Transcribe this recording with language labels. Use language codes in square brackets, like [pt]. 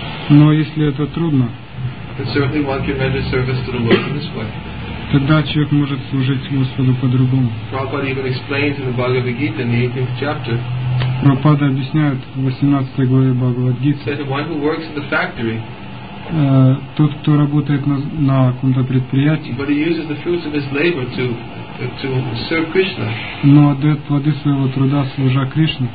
[ru] Но если это трудно, тогда человек может служить Господу по-другому. Прабхупада объясняет в 18 главе Бхагавад-гиты, тот, кто работает на каком-то предприятии, [en] but he uses the fruits of his labor to serve Krishna. [ru] Но отдает плоды своего труда, служа Кришне.